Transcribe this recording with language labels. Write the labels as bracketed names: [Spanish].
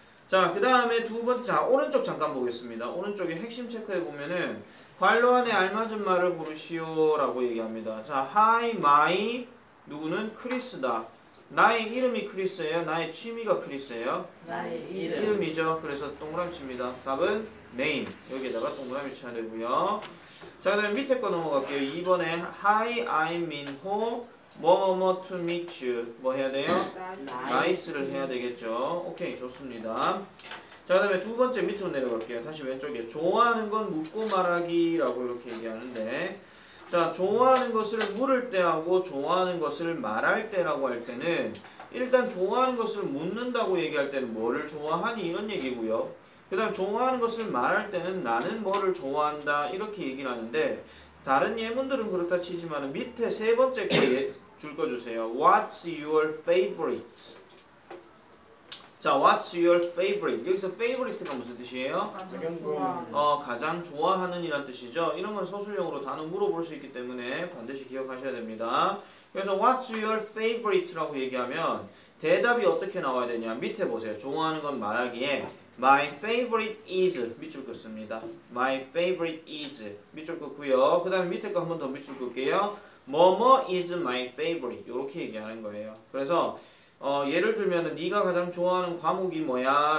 [Korean] 자, 그 다음에 두 번째, 자, 오른쪽 잠깐 보겠습니다. 오른쪽에 핵심 체크해 보면은 관로 안에 알맞은 말을 부르시오 라고 얘기합니다. 자, [English] Hi, my, [Korean] 누구는? 크리스다. 나의 이름이 크리스예요? 나의 취미가 크리스예요? 나의 이름. 이름이죠. 그래서 동그라미 칩니다. 답은 name. 여기에다가 동그라미 쳐야 되고요. 자, 그 다음에 밑에 거 넘어갈게요. 2번에 [English] Hi, I'm Minho. [Korean] 뭐뭐뭐 [English] to meet you. [Korean] 뭐 해야 돼요? nice를 해야 되겠죠. 오케이, 좋습니다. 자, 그 다음에 두 번째 밑으로 내려갈게요. 다시 왼쪽에 좋아하는 건 묻고 말하기 라고 이렇게 얘기하는데, 자, 좋아하는 것을 물을 때하고 좋아하는 것을 말할 때라고 할 때는 일단 좋아하는 것을 묻는다고 얘기할 때는 뭐를 좋아하니 이런 얘기고요. 그 다음 좋아하는 것을 말할 때는 나는 뭐를 좋아한다 이렇게 얘기를 하는데, 다른 예문들은 그렇다 치지만 밑에 세 번째 거에 줄 꺼주세요. [English] What's your favorite? 자, What's your favorite? [Korean] 여기서 favorite가 무슨 뜻이에요? 가장 좋아하는 이란 뜻이죠. 이런 건 서술형으로 단어 물어볼 수 있기 때문에 반드시 기억하셔야 됩니다. 그래서 [English] What's your favorite [Korean] 라고 얘기하면 대답이 어떻게 나와야 되냐. 밑에 보세요. 좋아하는 건 말하기에 [English] My favorite is [Korean] 밑줄 긋습니다. [English] My favorite is 밑줄 긋고요. [Korean] 그 다음에 밑에 거 한 번 더 밑줄 긋게요. 뭐뭐 [English] is my favorite [Korean] 이렇게 얘기하는 거예요. 그래서 예를 들면 네가 가장 좋아하는 과목이 뭐야?